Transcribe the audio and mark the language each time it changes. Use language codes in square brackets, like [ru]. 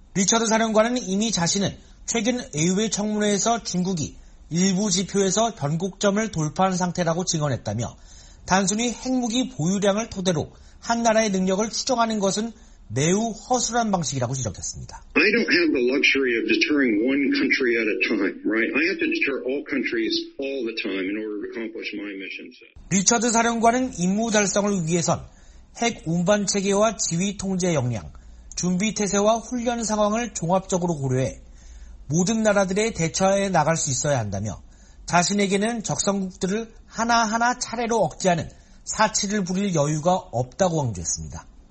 [ko] 리처드 사령관은 이미 자신은 최근 의회 청문회에서 중국이 일부 지표에서 변곡점을 돌파한 상태라고 증언했다며 단순히 핵무기 보유량을 토대로 한 나라의 능력을 추정하는 것은 매우 허술한 방식이라고 지적했습니다. [en] I don't have the luxury of deterring one country at a time, right? I have to deter all countries all the time in order to accomplish my mission. [ko] 리처드 사령관은 임무 달성을 위해선 핵 운반 체계와 지휘 통제 역량, 준비 태세와 훈련 상황을 종합적으로 고려해 모든 나라들의 대처에 나갈 수 있어야 한다며 자신에게는 적성국들을 하나하나 차례로 억제하는 사치를 부릴 여유가 없다고 강조했습니다.